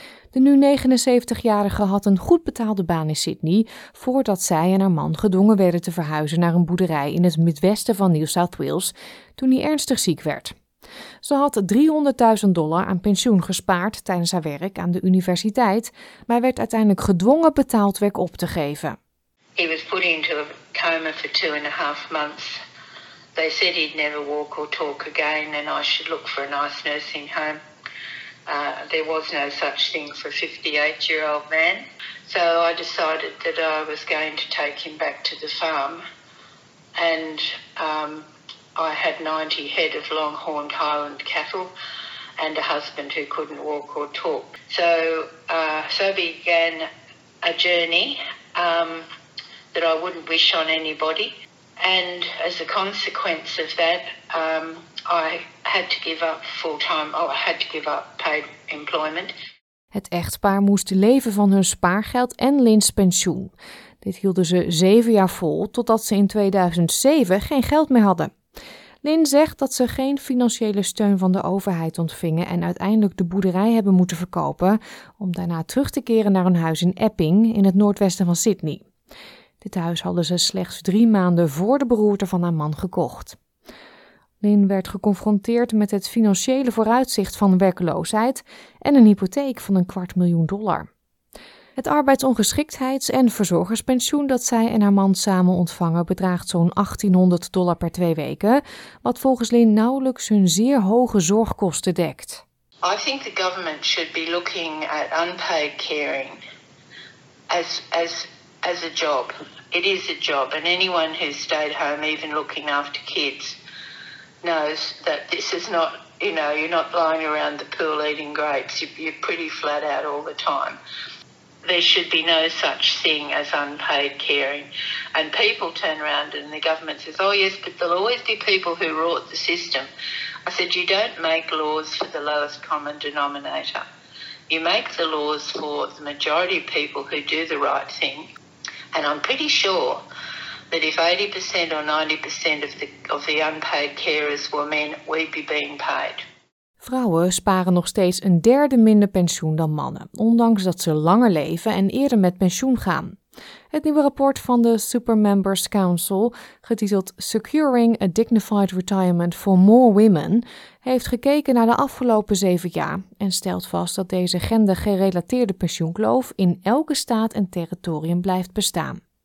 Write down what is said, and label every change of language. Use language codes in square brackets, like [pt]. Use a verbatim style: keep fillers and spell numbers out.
[nl] De nu negenenzeventig-jarige had een goed betaalde baan in Sydney voordat zij en haar man gedwongen werden te verhuizen naar een boerderij in het midwesten van New South Wales toen hij ernstig ziek werd. Ze had driehonderdduizend dollar aan pensioen gespaard tijdens haar werk aan de universiteit, maar werd uiteindelijk gedwongen betaald werk op te geven. [en] He was put into a coma for two and a half months. They said he'd never walk or talk again, and I should look for a nice nursing home. Uh, there was no such thing for a fifty-eight-year-old man, so I decided that I was going to take him back to the farm, and um, I had ninety head of long-horned Highland cattle and a husband who couldn't walk or talk. So, uh, so began a journey um, that I wouldn't wish on anybody. And as a consequence of that, um, I had to give up full-time. Oh, I had to give up paid employment. [nl] Het echtpaar moest leven van hun spaargeld en Lynn's pensioen. Dit hielden ze zeven jaar vol, totdat ze in tweeduizend zeven geen geld meer hadden. Lynn zegt dat ze geen financiële steun van de overheid ontvingen en uiteindelijk de boerderij hebben moeten verkopen om daarna terug te keren naar hun huis in Epping in het noordwesten van Sydney. Dit huis hadden ze slechts drie maanden voor de beroerte van haar man gekocht. Lynn werd geconfronteerd met het financiële vooruitzicht van werkloosheid en een hypotheek van een kwart miljoen dollar. Het arbeidsongeschiktheids- en verzorgerspensioen dat zij en haar man samen ontvangen bedraagt zo'n achttienhonderd dollar per twee weken, wat volgens Lynn nauwelijks hun zeer hoge zorgkosten dekt. [en] I think the government should be looking at unpaid caring as as as a job. It is a job, and anyone who stayed home, even looking after kids, knows that this is not, you know, you're not lying around the pool eating grapes. You're pretty flat out all the time. There should be no such thing as unpaid caring. And people turn around and the government says, oh yes, but there'll always be people who rot the system. I said, you don't make laws for the lowest common denominator. You make the laws for the majority of people who do the right thing. And I'm pretty sure that if eighty percent or ninety percent of the, of the unpaid carers were men, we'd be being paid. [nl] Vrouwen sparen nog steeds een derde minder pensioen dan mannen, ondanks dat ze langer leven en eerder met pensioen gaan. Het nieuwe rapport van de Supermembers Council, getiteld Securing a Dignified Retirement for More Women, heeft gekeken naar de afgelopen zeven jaar en stelt vast dat deze gendergerelateerde pensioenkloof in elke staat en territorium blijft bestaan.